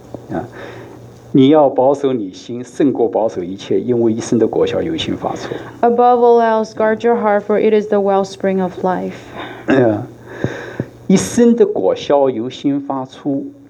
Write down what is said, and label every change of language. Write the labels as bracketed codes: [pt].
[zh] Yeah. 你要保守你心，胜过保守一切，因为一生的果效由心发出。 [en] Above all else, guard your heart, for it is the wellspring of life. [zh] Yeah. 一生的果效由心发出。